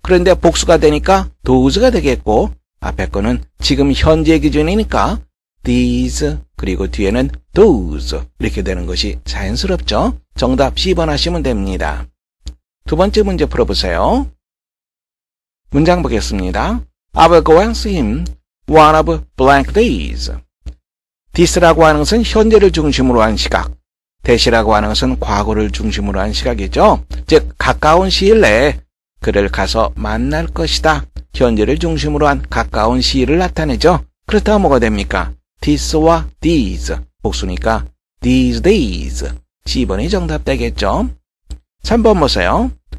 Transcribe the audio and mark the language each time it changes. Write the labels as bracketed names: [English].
[Korean] 그런데 복수가 되니까 those가 되겠고 앞에 거는 지금 현재 기준이니까 these 그리고 뒤에는 those 이렇게 되는 것이 자연스럽죠. 정답 10번 하시면 됩니다. 두 번째 문제 풀어보세요. 문장 보겠습니다. [English] I will go and see him one of blank days. [Korean] this라고 하는 것은 현재를 중심으로 한 시각, that이라고 하는 것은 과거를 중심으로 한 시각이죠. 즉 가까운 시일 내에 그를 가서 만날 것이다. 현재를 중심으로 한 가까운 시일을 나타내죠. 그렇다면 뭐가 됩니까? this와 these 복수니까 these days 10번이 정답 되겠죠. 3번 보세요.